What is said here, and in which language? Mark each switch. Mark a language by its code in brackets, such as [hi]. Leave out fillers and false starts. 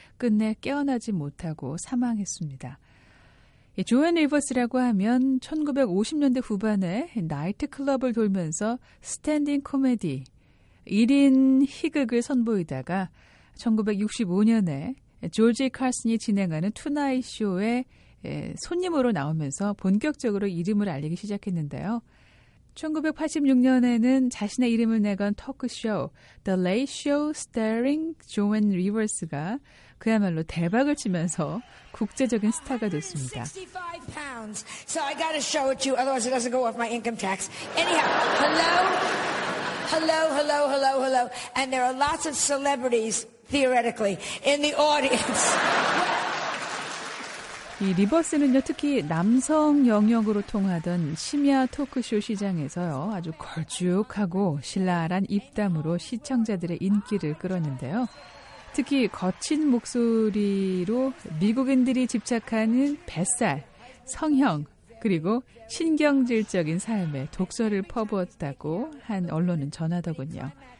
[ko] 끝내 깨어나지 못하고 사망했습니다. 이 조앤 리버스라고 하면 1950년대 후반에 나이트클럽을 돌면서 스탠딩 코미디, 1인 희극을 선보이다가 1965년에 조지 칼슨이 진행하는 투나잇 쇼에 손님으로 나오면서 본격적으로 이름을 알리기 시작했는데요. 1986년에는 자신의 이름을 내건 토크쇼 The Late Show Starring Joan Rivers가 그야말로 대박을 치면서 국제적인 스타가 됐습니다. [en] 65 pounds. So I gotta show it to you, otherwise it doesn't go off my income tax. Anyhow, hello, hello, hello, hello, hello, and there are lots of celebrities theoretically in the audience. [ko] 이 리버스는요, 특히 남성 영역으로 통하던 심야 토크쇼 시장에서요, 아주 걸쭉하고 신랄한 입담으로 시청자들의 인기를 끌었는데요. 특히 거친 목소리로 미국인들이 집착하는 뱃살, 성형, 그리고 신경질적인 삶에 독설을 퍼부었다고 한 언론은 전하더군요.